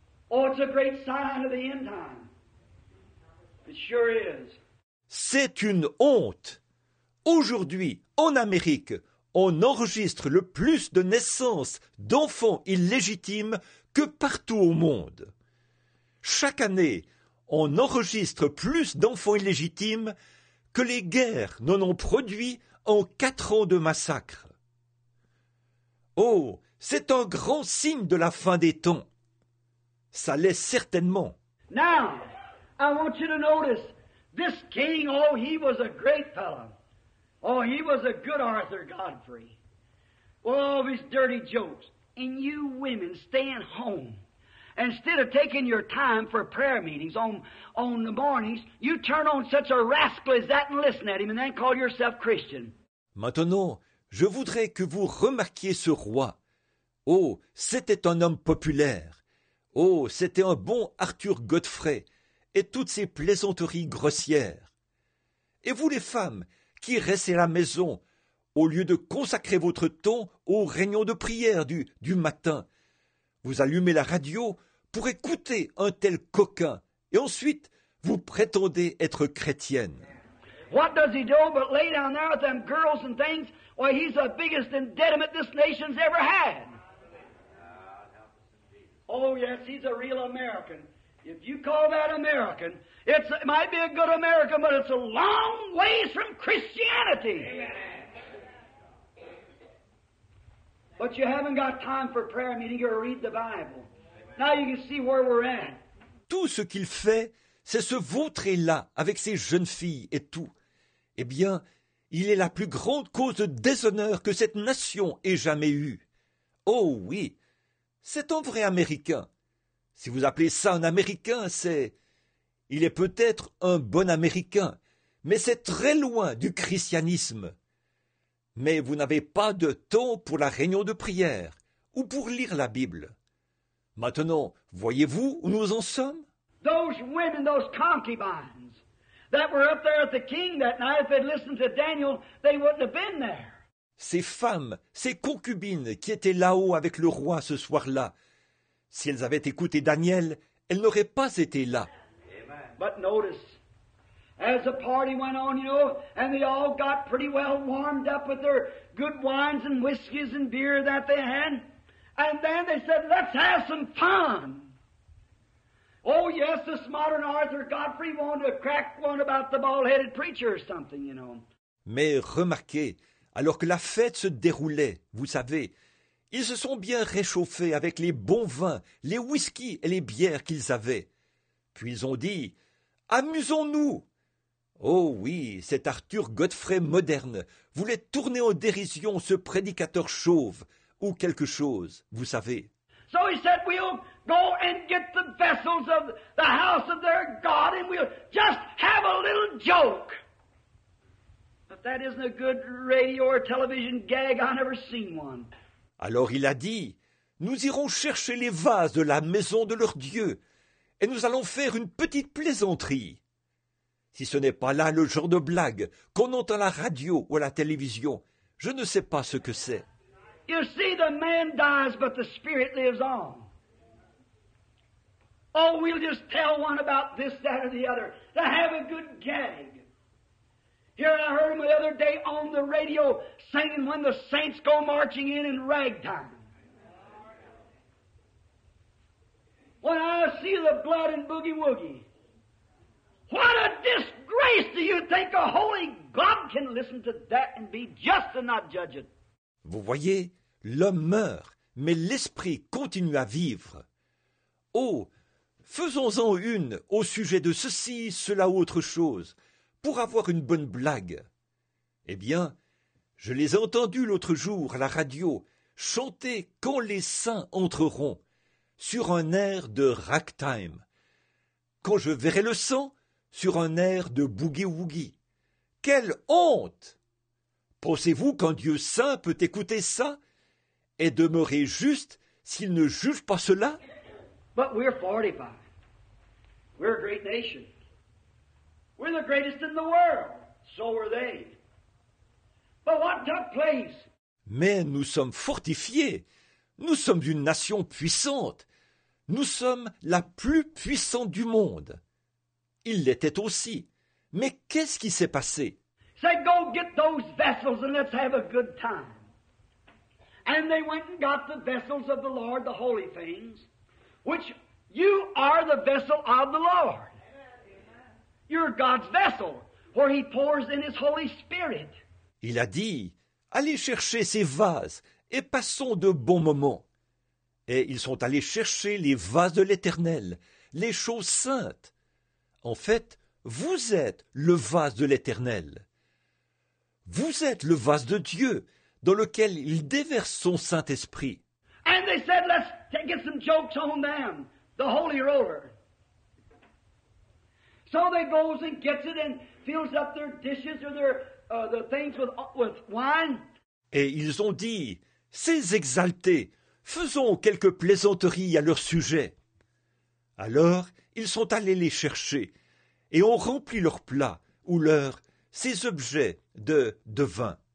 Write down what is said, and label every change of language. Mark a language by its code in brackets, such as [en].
[en] Oh, it's a great sign of the end time. It sure is. [fr] C'est une honte. Aujourd'hui, en Amérique, on enregistre le plus de naissances d'enfants illégitimes que partout au monde. Chaque année, on enregistre plus d'enfants illégitimes que les guerres n'en ont produit en 4 ans de massacre. Oh, c'est un grand signe de la fin des temps. Ça l'est certainement. [en] Now, I want you to notice, this king, oh, he was a great fellow. Oh, he was a good Arthur Godfrey. All of his dirty jokes. And you women staying home. Instead of taking your time for prayer meetings on the mornings, you turn on such a rascal as that and listen at him and then call yourself Christian. [fr] Maintenant, je voudrais que vous remarquiez ce roi. Oh, c'était un homme populaire. Oh, c'était un bon Arthur Godfrey et toutes ses plaisanteries grossières. Et vous, les femmes, qui restez à la maison, au lieu de consacrer votre temps aux réunions de prière du matin. Vous allumez la radio pour écouter un tel coquin, et ensuite, vous prétendez être chrétienne. [en] What does he do but lay down there with them girls and things? Why, he's the biggest indebtedness this nation's ever had. Oh, yes, he's a real American. If you call that American, it might be a good American, but it's a long ways from Christianity. Amen. But you haven't got time for prayer meeting or read the Bible. Now you can see where we're at. [fr] Tout ce qu'il fait, c'est se vautrer là avec ses jeunes filles et tout. Eh bien, il est la plus grande cause de déshonneur que cette nation ait jamais eue. Oh oui, c'est un vrai Américain. Si vous appelez ça un Américain, c'est... Il est peut-être un bon Américain, mais c'est très loin du christianisme. Mais vous n'avez pas de temps pour la réunion de prière ou pour lire la Bible. Maintenant, voyez-vous où nous en sommes? [en] Those women, those concubines that were up there at the king that night, if they'd listened to Daniel, they wouldn't have been there. [fr] Ces femmes, ces concubines qui étaient là-haut avec le roi ce soir-là, si elles avaient écouté Daniel, elles n'auraient pas été là. [en] But notice, as the party went on, you know, and they all got pretty well warmed up with their good wines and whiskies and beer that they had, and then they said, let's have some fun. Oh, yes, this modern Arthur Godfrey wanted to crack one about the bald-headed preacher or something, you know. [fr] Mais remarquez, alors que la fête se déroulait, vous savez, ils se sont bien réchauffés avec les bons vins, les whiskies et les bières qu'ils avaient. Puis ils ont dit, « Amusons-nous !» Oh oui, cet Arthur Godfrey moderne voulait tourner en dérision ce prédicateur chauve, ou quelque chose, vous savez. [en] So he said, we'll go and get the vessels of the house of their God and we'll just have a little joke. If that isn't a good radio or television gag, I've never seen one. [fr] Alors il a dit, nous irons chercher les vases de la maison de leur Dieu et nous allons faire une petite plaisanterie. Si ce n'est pas là le genre de blague qu'on entend à la radio ou à la télévision, je ne sais pas ce que c'est. [en] You see, the man dies, but the spirit lives on. Oh, we'll just tell one about this, that, or the other to have a good gag. Here I heard him the other day on the radio singing when the saints go marching in ragtime. When I see the blood in boogie-woogie, what a disgrace do you think a holy God can listen to that and be just and not judge it? [fr] Vous voyez, l'homme meurt, mais l'esprit continue à vivre. Oh, faisons-en une au sujet de ceci, cela ou autre chose, pour avoir une bonne blague. Eh bien, je les ai entendus l'autre jour à la radio chanter « Quand les saints entreront » sur un air de ragtime. « Quand je verrai le sang » sur un air de boogie-woogie. Quelle honte ! Pensez-vous qu'un Dieu saint peut écouter ça et demeurer juste s'il ne juge pas cela? [en] But we're 45. We're a great nation. We're the greatest in the world. So were they. But what took place? [fr] Mais nous sommes fortifiés. Nous sommes une nation puissante. Nous sommes la plus puissante du monde. Il l'était aussi. Mais qu'est-ce qui s'est passé? [en] Say, go get those vessels and let's have a good time. And they went and got the vessels of the Lord, the holy things, which you are the vessel of the Lord. You're God's vessel, for he pours in his Holy Spirit. [fr] Il a dit, allez chercher ces vases et passons de bons moments. Et ils sont allés chercher les vases de l'Éternel, les choses saintes. En fait, vous êtes le vase de l'Éternel. Vous êtes le vase de Dieu dans lequel il déverse son Saint-Esprit. [en] And they said, let's get some jokes on them, the holy roller. So they goes and gets it and fills up their dishes or their things with wine. [fr] Et ils ont dit, ces exaltés, faisons quelques plaisanteries à leur sujet. Alors, ils sont allés les chercher et ont rempli leurs plats ou leurs ces objets de vin.